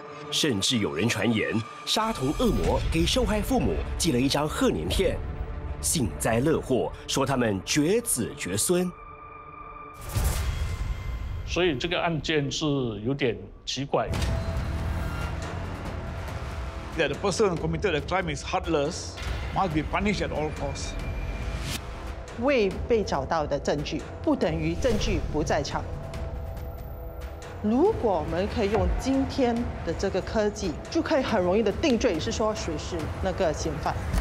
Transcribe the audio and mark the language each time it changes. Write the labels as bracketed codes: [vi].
[zh] 甚至有人传言杀童恶魔给受害父母寄了一张贺年片，幸灾乐祸，说他们绝子绝孙。所以这个案件是有点奇怪。 [en] That the person committed the crime is heartless, must be punished at all costs. [zh] 未被找到的证据不等于证据不在场。如果我们可以用今天的这个科技，就可以很容易的定罪，是说谁是那个嫌犯。